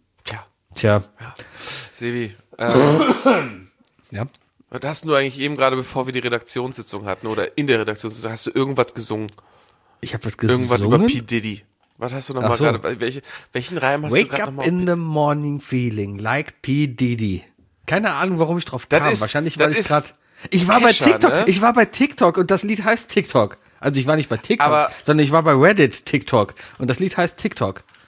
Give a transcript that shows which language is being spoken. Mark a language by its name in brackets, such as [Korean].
[German] Ja. Tja. Ja. Sebi. Ja. Was hast du eigentlich eben gerade, bevor wir die Redaktionssitzung hatten oder in der Redaktionssitzung, hast du irgendwas gesungen? Ich habe was gesungen? Irgendwas über P. Diddy. Was hast du nochmal gerade? Welchen Reim hast [English] Wake [German] du gerade nochmal? [English] Wake up in the morning feeling like P. Diddy. [German] Keine Ahnung, warum ich drauf kam. Wahrscheinlich, weil ich gerade... Ich war bei TikTok. Ne? Ich war bei TikTok und das Lied heißt TikTok. Also ich war nicht bei TikTok, sondern ich war bei Reddit TikTok. Und das Lied heißt TikTok.